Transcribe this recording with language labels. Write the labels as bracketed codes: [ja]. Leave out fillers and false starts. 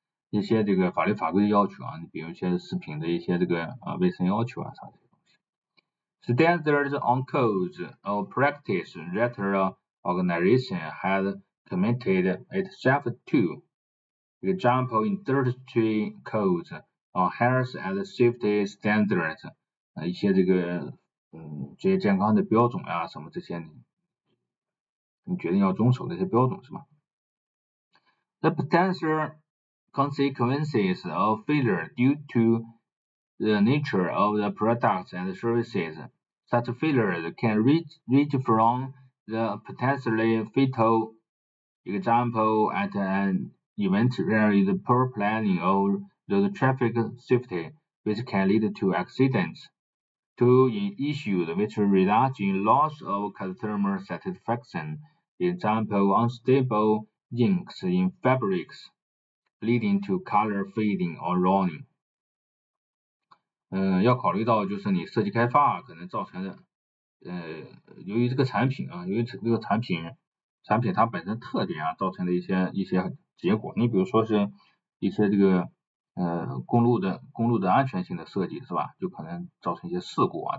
[zh] 一些这个法律法规要求啊，比如一些食品的一些这个卫生要求啊啥的。 [en] Standards on codes of practice that the organization has committed itself to. Example, industry codes or health and safety standards. [zh] 一些这个职业健康的标准啊，什么这些你决定要遵守的一些标准是吧？ [en] The potential consequences of failure due to the nature of the products and services. Such failures can reach from the potentially fatal example at an event where the poor planning of the traffic safety, which can lead to accidents, to issues which result in loss of customer satisfaction, example unstable inks in fabrics, leading to color fading or ruining. [zh] 要考虑到就是你设计开发、啊、可能造成的，由于这个产品啊，由于这个产品它本身特点啊，造成的一些结果。你比如说是一些这个公路的安全性的设计是吧，就可能造成一些事故啊。